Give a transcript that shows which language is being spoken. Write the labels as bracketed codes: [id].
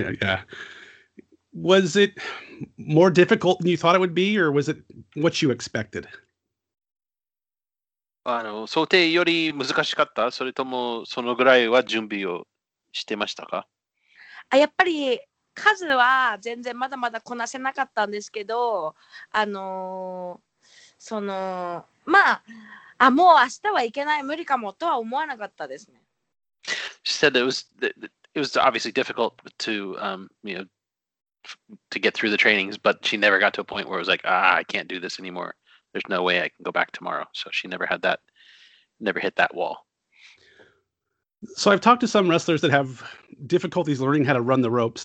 [en] I was it more difficult than you thought it would be, or was it what you expected? [ja] あの、想定より難しかった?それともそのぐらいは準備をしてましたか?あ、やっぱり数は全然まだまだこなせなかったんですけど、あの、その、まあ、あ、もう明日はいけない、無理かもとは思わなかったですね。 [en] She said it was obviously difficult to you know, to get through the trainings, but she never got to a point where it was like, ah, I can't do this anymore. There's no way I can go back tomorrow. So she never had that. Never hit that wall. So I've talked to some wrestlers that have difficulties learning how to run the ropes.